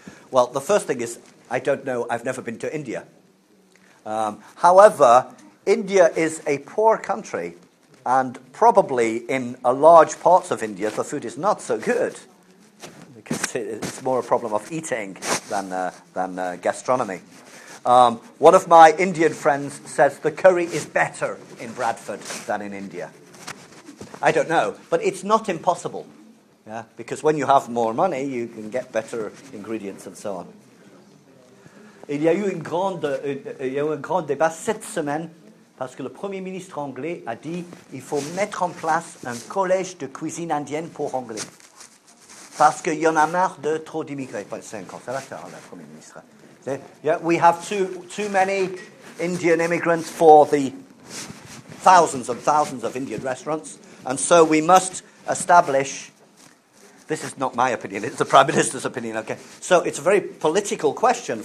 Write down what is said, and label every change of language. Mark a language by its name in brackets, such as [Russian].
[English] Well, the first thing is, I don't know, I've never been to India. However, India is a poor country, and probably in a large parts of India, the food is not so good, because it's more a problem of eating than gastronomy. One of my Indian friends says the curry is better in Bradford than in India. I don't know, but it's not impossible. Yeah, because when you have more money, you can get better ingredients and so on. [French] Il y a eu un grand débat cette semaine parce que le Premier ministre anglais a dit il faut mettre en place un collège de cuisine indienne pour anglais. Parce qu'il y en a marre de trop d'immigrés. C'est un conservateur, le Premier ministre. [English] Yeah, we have too many Indian immigrants for the thousands and thousands of Indian restaurants, and so we must establish... This is not my opinion, it's the Prime Minister's opinion, okay? So it's a very political question.